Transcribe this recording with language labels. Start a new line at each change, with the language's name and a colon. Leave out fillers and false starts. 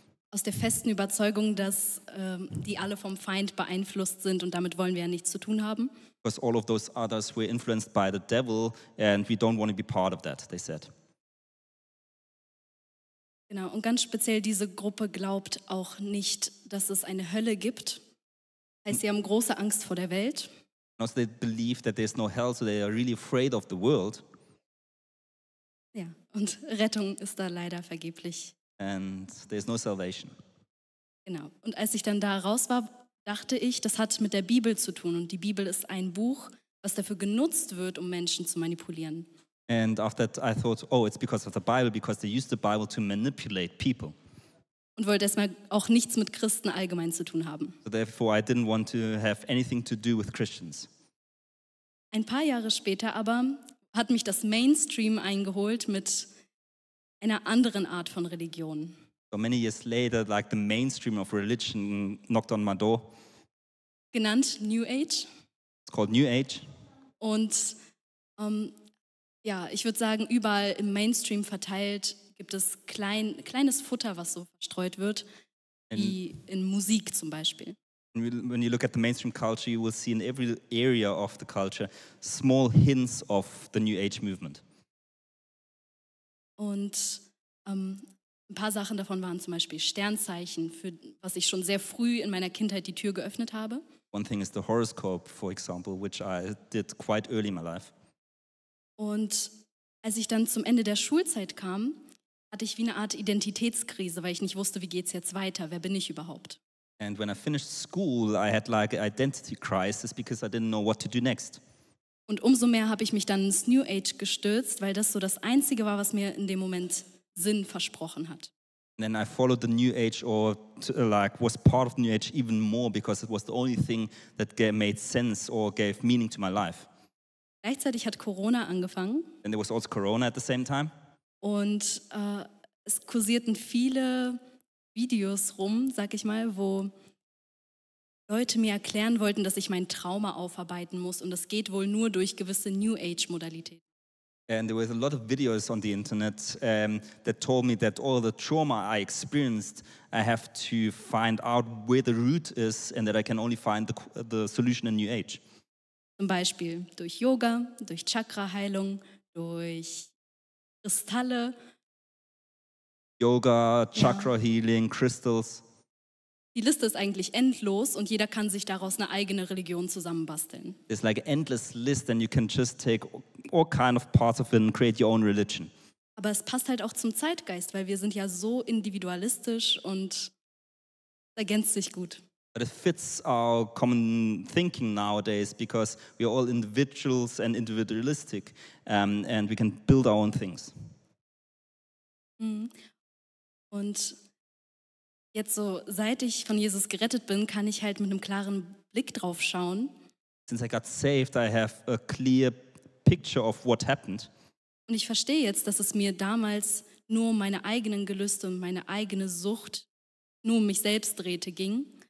German: Aus der festen Überzeugung, dass die alle vom Feind beeinflusst sind und damit wollen wir ja nichts zu tun haben.
English: Because all of those others were influenced by the devil and we don't want to be part of that, they said.
German: Genau, und ganz speziell diese Gruppe glaubt auch nicht, dass es eine Hölle gibt. Heißt, sie haben große Angst vor der Welt.
English: Also they believe that there's no hell, so they are really afraid of the world.
German: Ja, und Rettung ist da leider vergeblich.
English: And there's no salvation.
German: Genau, und als ich dann da raus war, dachte ich, das hat mit der Bibel zu tun. Und die Bibel ist ein Buch, was dafür genutzt wird, um Menschen zu manipulieren.
English: And after that I thought, oh, it's because of the Bible, because they use the Bible to manipulate people.
German: Und wollte erstmal auch nichts mit Christen allgemein zu tun haben.
English: So therefore I didn't want to have anything to do with Christians.
German: Ein paar Jahre später aber hat mich das Mainstream eingeholt mit einer anderen Art von Religion.
English: So many years later, like the mainstream of religion knocked on my door.
German: Genannt New Age.
English: It's called New Age.
German: Und Ja, ich würde sagen, überall im Mainstream verteilt gibt es kleines Futter, was so verstreut wird, wie in Musik zum Beispiel.
English: When you look at the mainstream culture, you will see in every area of the culture small hints of the New Age movement.
German: Und ein paar Sachen davon waren zum Beispiel Sternzeichen, für was ich schon sehr früh in meiner Kindheit die Tür geöffnet habe.
English: One thing is the horoscope, for example, which I did quite early in my life.
German: Und als ich dann zum Ende der Schulzeit kam, hatte ich wie eine Art Identitätskrise, weil ich nicht wusste, wie geht's jetzt weiter, wer bin ich überhaupt?
English: And when I finished school, I had like an identity crisis because I didn't know what to do next.
German: Und umso mehr habe ich mich dann ins New Age gestürzt, weil das so das Einzige war, was mir in dem Moment Sinn versprochen hat.
English: And then I followed the New Age or like was part of the New Age even more because it was the only thing that made sense or gave meaning to my life.
German: Gleichzeitig hat Corona angefangen.
English: And there was also Corona at the same time.
German: Und es kursierten viele Videos rum, sag ich mal, wo Leute mir erklären wollten, dass ich mein Trauma aufarbeiten muss und das geht wohl nur durch gewisse New Age Modalitäten.
English: And there was a lot of videos on the internet that told me that all the trauma I experienced, I have to find out where the root is and that I can only find the solution in New Age.
German: Zum Beispiel durch Yoga, durch Chakra-Heilung, durch Kristalle.
English: Yoga, Chakra-Healing, Crystals.
German: Die Liste ist eigentlich endlos und jeder kann sich daraus eine eigene Religion zusammenbasteln.
English: It's like an endless list and you can just take all kind of parts of it and create your own religion.
German: Aber es passt halt auch zum Zeitgeist, weil wir sind ja so individualistisch und es ergänzt sich gut.
English: But it fits our common thinking nowadays because we are all individuals and individualistic and we can build our own things.
German: Und jetzt so, seit ich von Jesus gerettet bin, kann ich halt mit einem klaren Blick drauf schauen.
English: Since I got saved, I have a clear picture of what happened.
German: Und ich verstehe jetzt, dass es mir damals nur um meine eigenen Gelüste und meine eigene Sucht, nur um mich selbst drehte, ging.